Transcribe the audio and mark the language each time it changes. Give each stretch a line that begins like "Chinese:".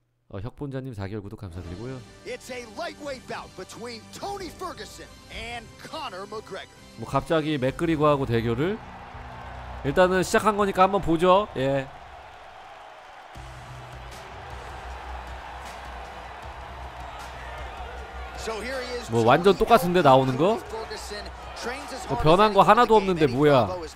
Korean: 혁본자님 4개월 구독 감사드리고요.
English: It's a lightweight bout between Tony Ferguson and Conor McGregor.
Korean: 뭐 갑자기 맥그리거하고 대결을 일단은 시작한 거니까 한번 보죠. 예. 뭐 완전 똑같은데 나오는 거? 뭐 변한 거 하나도 없는데 뭐야?